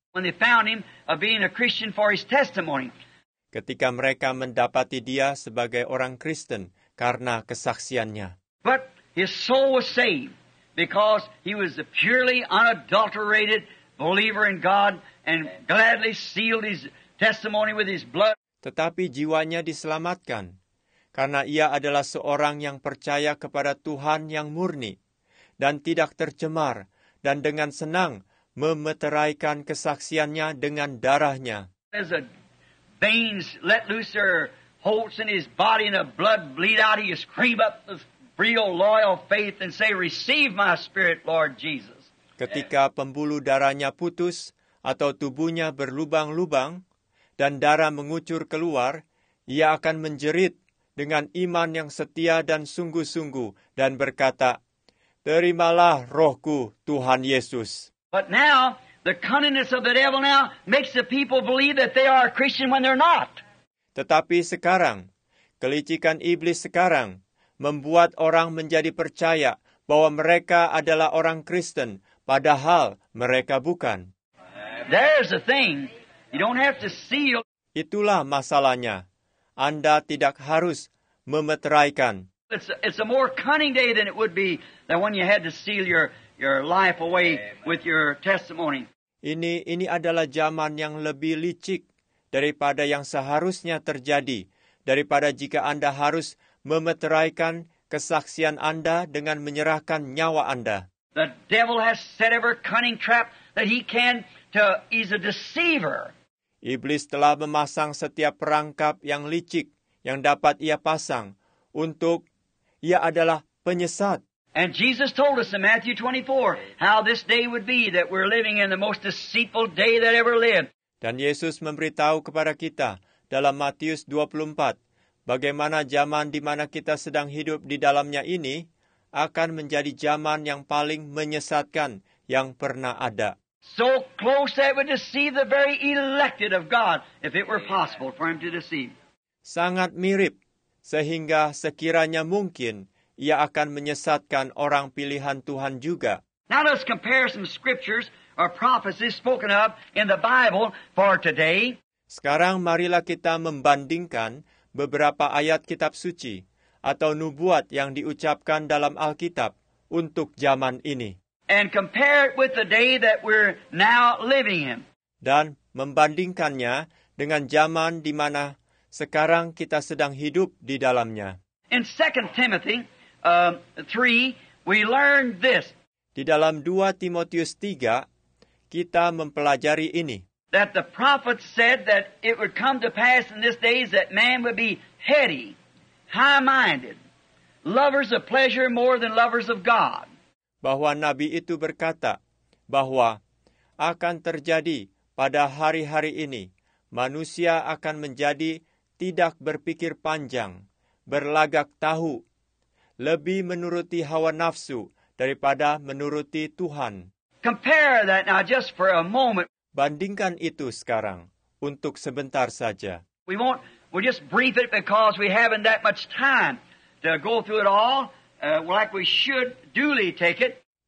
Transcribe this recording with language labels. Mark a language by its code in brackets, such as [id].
[en] When they found him being a Christian for his testimony. [id] Ketika mereka mendapati dia sebagai orang Kristen karena kesaksiannya. [en] But his soul was saved because he was a purely unadulterated believer in God and gladly sealed his testimony with his blood. [id] Tetapi jiwanya diselamatkan karena ia adalah seorang yang percaya kepada Tuhan yang murni dan tidak tercemar dan dengan senang memeteraikan kesaksiannya dengan darahnya. [en] As the veins let loose their holes in his body and the blood bleed out, he screamed up with real loyal faith and say, "Receive my spirit, Lord Jesus." [id] Ketika pembuluh darahnya putus atau tubuhnya berlubang-lubang dan darah mengucur keluar, ia akan menjerit dengan iman yang setia dan sungguh-sungguh dan berkata, "Terimalah rohku, Tuhan Yesus." [en] But now, the cunningness of the devil now makes the people believe that they are a Christian when they're not. [id] Tetapi sekarang, kelicikan iblis sekarang membuat orang menjadi percaya bahwa mereka adalah orang Kristen, padahal mereka bukan. [en] There's the thing. You don't have to seal. [id] Itulah masalahnya. Anda tidak harus memeteraikan. [en] It's a more cunning day than it would be than when you had to seal your life away with your testimony. [id] Ini adalah zaman yang lebih licik daripada yang seharusnya terjadi, daripada jika Anda harus memeteraikan kesaksian Anda dengan menyerahkan nyawa Anda. [en] The devil has set every cunning trap that he can to he's a deceiver. [id] Iblis telah memasang setiap perangkap yang licik yang dapat ia pasang untuk ia adalah penyesat. [en] And Jesus told us in Matthew 24 how this day would be that we're living in the most deceitful day that ever lived. [id] Dan Yesus memberitahu kepada kita dalam Matius 24 bagaimana zaman di mana kita sedang hidup di dalamnya ini akan menjadi zaman yang paling menyesatkan yang pernah ada. [en] So close that it would deceive the very elected of God if it were possible for him to deceive. [id] Sangat mirip sehingga sekiranya mungkin ia akan menyesatkan orang pilihan Tuhan juga. [en] Now let's compare some scriptures or prophecies spoken of in the Bible for today. [id] Sekarang marilah kita membandingkan beberapa ayat kitab suci atau nubuat yang diucapkan dalam Alkitab untuk zaman ini. [en] And compare it with the day that we're now living in. [id] Dan membandingkannya dengan zaman di mana sekarang kita sedang hidup di dalamnya. [en] In 2 Timothy 3, we learn this. [id] Di dalam 2 Timotius 3, kita mempelajari ini. [en] That the prophet said that it would come to pass in this days that man would be heady, high-minded, lovers of pleasure more than lovers of God. [id] bahwa nabi itu berkata bahwa akan terjadi pada hari-hari ini, manusia akan menjadi tidak berpikir panjang, berlagak tahu, lebih menuruti hawa nafsu daripada menuruti Tuhan. [en] Compare that now just for a moment. [id] Bandingkan itu sekarang, untuk sebentar saja. [en] We'll just brief it because we haven't that much time to go through it all like we should duly take it.